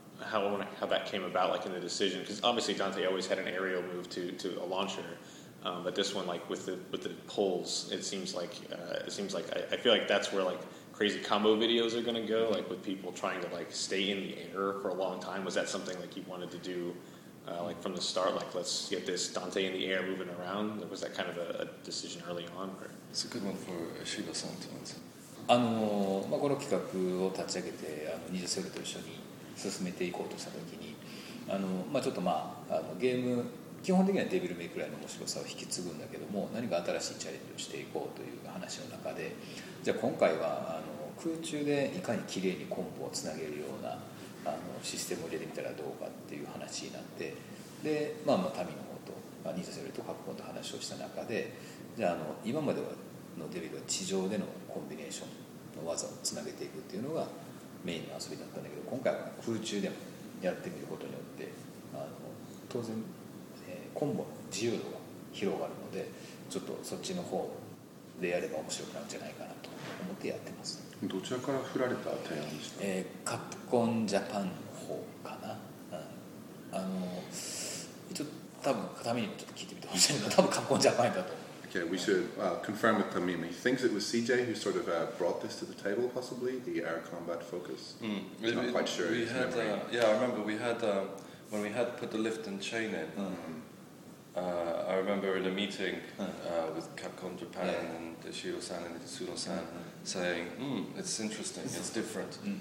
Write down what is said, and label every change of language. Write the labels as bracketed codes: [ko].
[en] how that came about, like in the decision, because obviously Dante always had an aerial move to a launcher, but this one, like with the pulls, I feel like that's where like crazy combo videos are gonna go, like with people trying to like stay in the air for a long time. Was that something like you wanted to do, like from the start, like let's get this Dante in the air moving around? Was that kind of a decision early on? Or? It's a good one for Shiba-san to answer. [ja] まあ、この企画を立ち上げて二次セルと一緒に進めていこうとしたときに、まあ、ちょっと、まあ、ゲーム基本的にはデビルメイクライの面白さを引き継ぐんだけども、何か新しいチャレンジをしていこうという話の中で、じゃあ今回は空中でいかにきれいにコンボをつなげるようなシステムを入れてみたらどうかっていう話になって、で、まあ、まあ民の方と、まあ、二次セルとカプコンと話をした中で、じゃあ今まではのデビルは地上でのコンビネーションの技をつなげていくっていうのがメインの遊びだったんだけど、今回は空中でもやってみることによって当然、コンボの自由度が広がるので、ちょっとそっちの方でやれば面白くなるんじゃないかなと思ってやってます。どちらから振られた提案でした？カプコンジャパンの方かな、うん、ちょっと多分ためにもちょっと聞いてみてほしいけど、多分カプコンジャパンだと。 [en] Yeah, we should confirm with Tamim. He thinks it was CJ who sort of brought this to the table, possibly, the air combat focus. He's not quite sure. I remember we had, when we had put the lift and chain in, I remember in a meeting with Capcom Japan and Shiro-san and Tsuno-san saying, it's interesting, it's different.